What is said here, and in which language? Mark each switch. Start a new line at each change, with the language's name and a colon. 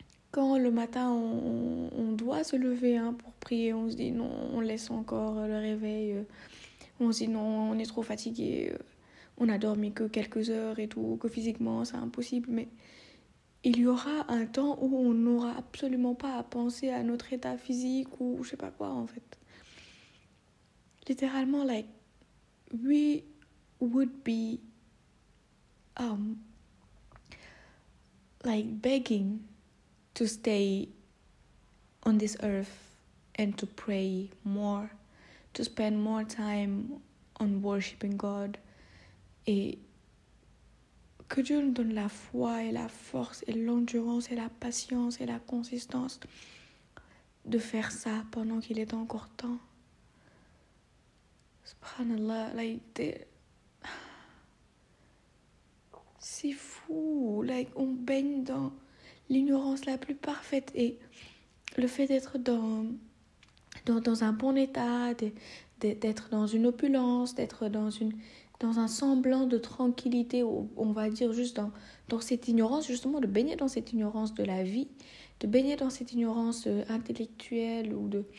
French: Quand le matin on doit se lever hein, pour prier, on se dit non, on laisse encore le réveil, on se dit non, on est trop fatigué, on a dormi que quelques heures et tout, que physiquement c'est impossible, mais il y aura un temps où on n'aura absolument pas à penser à notre état physique ou je sais pas quoi en fait. Littéralement,
English: like, we would be like begging to stay on this earth and to pray more, to spend more time on worshiping God.
French: Et que Dieu nous donne la foi et la force et l'endurance et la patience et la consistance de faire ça pendant qu'il est encore temps. Subhanallah, like, c'est fou, like, on baigne dans l'ignorance la plus parfaite, et le fait d'être dans un bon état, d'être dans une opulence, d'être dans un semblant de tranquillité, on va dire juste dans cette ignorance, justement de baigner dans cette ignorance de la vie, de baigner dans cette ignorance intellectuelle ou